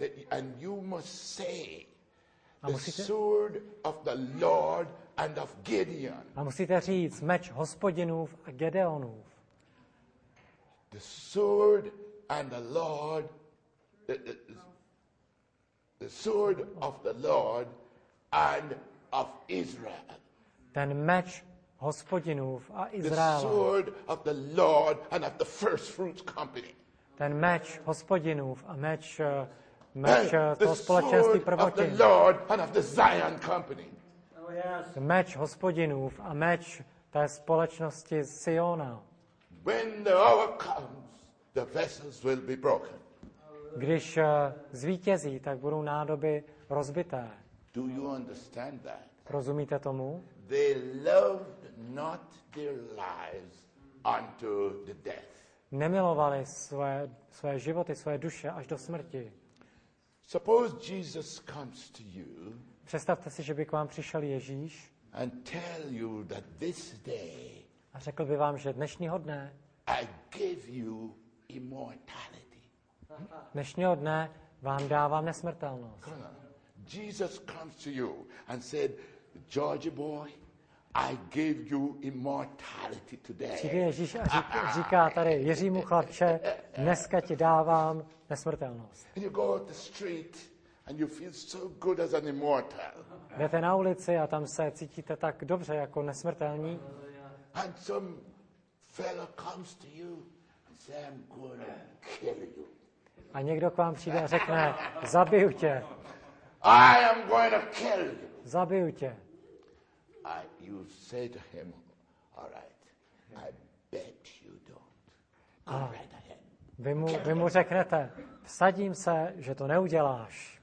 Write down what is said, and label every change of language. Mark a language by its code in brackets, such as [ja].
[en] And you must say the sword of the Lord and of Gideon. [cs] A musíte říct meč Hospodinův a Gedeonův. [en] The sword and the Lord, the sword of the Lord and of Israel. [cs] Ten meč Hospodinův a Izraela. [en] The sword of the Lord and of the first fruits company. [cs] Ten meč Hospodinův a meč toho společenství prvotin. [en] The Lord and of the Zion company. Oh, yes. [cs] Meč Hospodinův a meč té společnosti Siona. [en] When the hour comes, the vessels will be broken. [cs] Když zvítězí, tak budou nádoby rozbité. [en] Do you understand that? [cs] Rozumíte tomu? [en] They loved not their lives unto the death. [cs] Nemilovali své životy, své duše až do smrti. [en] Suppose Jesus comes to you. [cs] Představte si, že by k vám přišel Ježíš. [en] And tell you that this day. [cs] A řekl by vám, že dnešního dne. [en] I give you immortality. [cs] Dnešního dne vám dávám nesmrtelnost. [en] Jesus comes to you and said, Georgie boy, I give you immortality today. [cs] Přijde Ježíš a říká tady, Jiřímu chlapče, dneska ti dávám nesmrtelnost. [en] And you go out the street and you feel so good as an immortal. [cs] Jdete na ulici a tam se cítíte tak dobře jako nesmrtelní. [en] And some fellow comes to you and says, I'm gonna kill you. [cs] A někdo k vám přijde a řekne, zabiju tě. [en] I am going to kill you. [cs] Zabiju tě. [en] You say to him, all right, I bet you don't. Go right ahead. [cs] Vy mu řeknete, vsadím se, že to neuděláš.